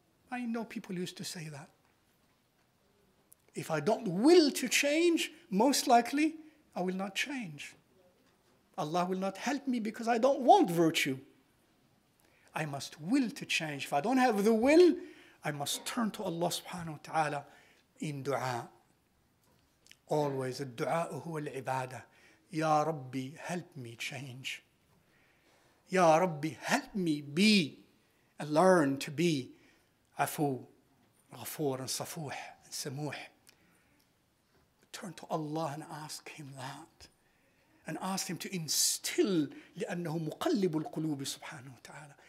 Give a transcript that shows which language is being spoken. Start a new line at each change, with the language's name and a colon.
English: I know people used to say that. If I don't will to change, most likely I will not change. Allah will not help me because I don't want virtue. I must will to change. If I don't have the will, I must turn to Allah subhanahu wa ta'ala in dua. Always,
Arabic: الدعاء هو العبادة.
English: Ya Rabbi, help me change. Ya Rabbi, help me be and learn to be Afu, Ghafur, and Safuh, and Samuh. Turn to Allah and ask Him that. And ask Him to instill,
Arabic: لأنه مقلب القلوب سبحانه وتعالى.